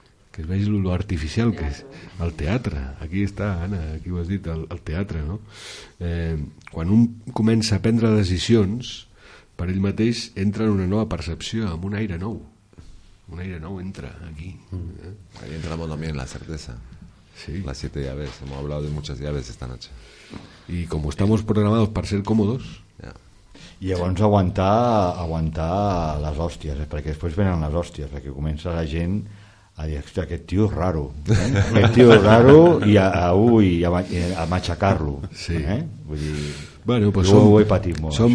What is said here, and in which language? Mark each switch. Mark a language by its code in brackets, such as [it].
[ca] Que es vegi lo artificial que és el teatre. Aquí està, Anna, aquí ho has dit, el teatre, no? Quan un comença a prendre decisions per ell mateix, entra en una nova percepció, en un aire nou. Un aire nou entra aquí. Ahí entra molt també en la certesa. Sí. [es] Las siete llaves. Hemos hablado de muchas llaves esta noche. Y como estamos programados para ser cómodos... [en] Yeah. [ca] I llavors aguantar les hòsties, perquè després venen les hòsties, perquè comença la gent a dir, hòstia, aquest tio és raro, eh? Aquest tio és raro i a machacar-lo. Sí. Vull dir, bueno, pues jo ho he patit molt.